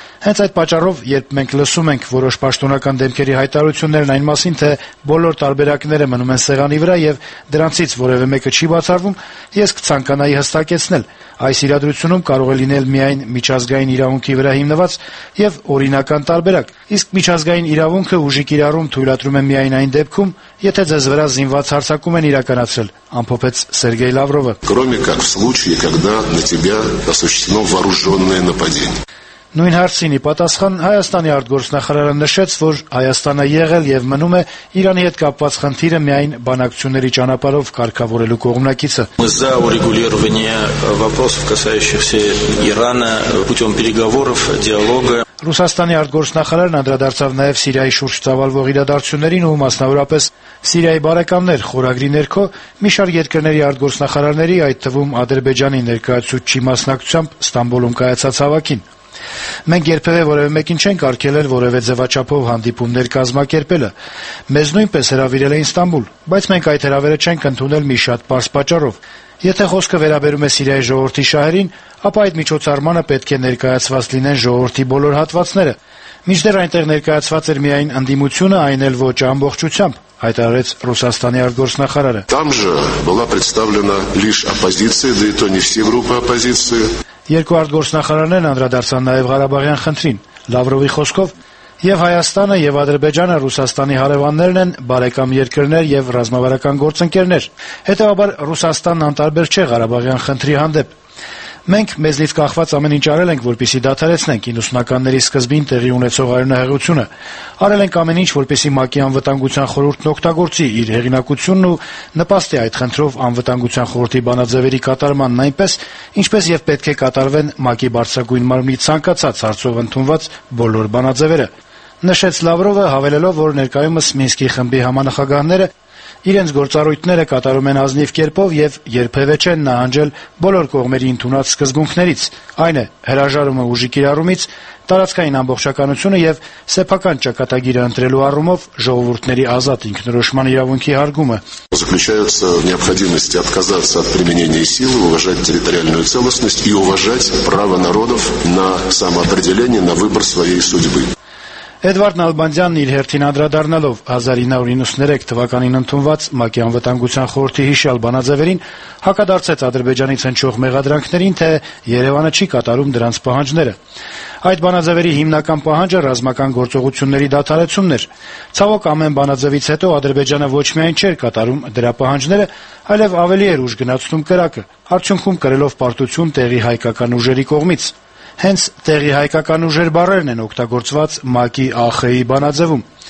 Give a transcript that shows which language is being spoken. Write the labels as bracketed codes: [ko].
[hy] Հենց այդ պատճառով, երբ մենք լսում ենք որոշ պաշտոնական դեմքերի հայտարություններն այն մասին, թե բոլոր տարբերակները մնում են սեղանի վրա և դրանցից որևէ մեկը չի բացառվում, ես կցանկանայի հստակեցնել, այս իրադրությունում կարող է լինել միայն միջազգային իրավունքի վրա հիմնված և օրինական տարբերակ, իսկ միջազգային իրավունքը ուժի կիրառում թույլատրում է միայն այն դեպքում, եթե ձեզ վրա զինված հարձակում են իրականացրել, ամփոփեց Սերգեյ Լավրովը։ Նույն հարցինի պատասխան Հայաստանի արտգործնախարարը նշեց, որ Հայաստանը եղել և մնում է Իրանի հետ կապված խնդիրը միայն բանակցությունների ճանապարհով կարգավորելու կողմնակիցը։ [ru] Мы за урегулирование вопросов, касающихся Ирана, путём переговоров, диалога. [hy] Ռուսաստանի արտգործնախարարն անդրադարձավ նաև Սիրիայի շուրջ ծավալվող իրադարձություններին ու մասնավորապես Սիրիայի բարեկամներ խորագրի ներքո մի շար երկրների արտգործնախարարների, այդ թվում Ադրբեջանի ներկայացուցչի մասնակցությամբ Ստամբուլում կայացած հավաքին։ Մենք երբևէ որևէ մեկին չենք արգելել որևէ ձևաչափով հանդիպումներ կազմակերպելը։ Մեզ նույնպես հրավիրել է Ինստամբուլ, բայց մենք այդ հրավերը չենք ընդունել մի շատ պարզ պատճառով։ Եթե խոսքը վերաբերում է Սիրիայի ժողովրդի շահերին, ապա այդ միջոցառմանը պետք է ներկայացված լինեն ժողովրդի բոլոր հատվածները։ Մինչդեռ այնտեղ ներկայացված էր միայն ընդդիմությունը, այն էլ ոչ ամբողջությամբ, հայտարարեց Ռուսաստանի արտգործնախարարը։ [ru] Там же была представлена лишь оппозиция, да и то не все группы оппозиции. [hy] Երկու արտգործնախարարներն անդրադարձան նաև Ղարաբաղյան խնդրին։ Լավրովի խոսքով, եւ Հայաստանը եւ Ադրբեջանը Ռուսաստանի հարևաններն են, բարեկամ երկրներ եւ ռազմավարական գործընկերներ։ Հետեւաբար Ռուսաստանն անտարբեր չէ Ղարաբաղյան խնդրի հանդեպ։ Մենք մեզնից կախված ամեն ինչ արել ենք, որպեսզի դադարեցնենք 90-ականների սկզբին տեղի ունեցող արյունահեղությունը։ Արել ենք ամեն ինչ, որպեսզի ՄԱԿ-ի անվտանգության խորհուրդն օգտագործի իր հեղինակությունն ու նպաստի այդ խնդրով անվտանգության խորհրդի բանաձևերի կատարմանն այնպես, ինչպես և պետք է կատարվեն ՄԱԿ-ի բարձրագույն մարմնի ցանկացած հարցով ընդունված բոլոր բանաձևերը, նշեց Լավրովը, հավելելով, որ ներկայումս Մինսկի խմբի համանախագահները իրենց գործառույթները կատարում են ազնիվ կերպով և երբևէ չեն նահանջել բոլոր կողմերի ընդունած սկզբունքներից, այն է հրաժարումը ուժի կիրառումից, տարածքային ամբողջականությունը և սեփական ճակատագիրը ընտրելու առումով ժողովուրդների ազատ ինքնորոշման իրավունքի հարգումը։ [ru] Заключается в необходимости отказаться от применения силы, уважать территориальную целостность и уважать право народов на самоопределение, на выбор своей судьбы. [hy] Էդվարդ Նալբանդյանն իր հերթին անդրադառնալով 1993 թվականին ընդունված ՄԱԿ-ի անվտանգության խորհրդի հիշյալ բանաձևերին հակադարձեց Ադրբեջանից հնչող մեղադրանքներին, թե Երևանը չի կատարում դրանց պահանջները։ Այդ բանաձևերի հիմնական պահանջը ռազմական գործողությունների դադարեցումն էր։ Ցավոք, ամեն բանաձևից հետո Ադրբեջանը ոչ միայն չէր կատարում դրա պահանջները, այլև ավելի էր ուժ գնացնում կրակը, արդյունքում կրելով պարտություն տեղի հայկական ուժերի կողմից։ Հենց տեղի հայկական ուժեր բարերն են օգտագործված ՄԱԿ-ի ԱԽ-ի բանաձևում։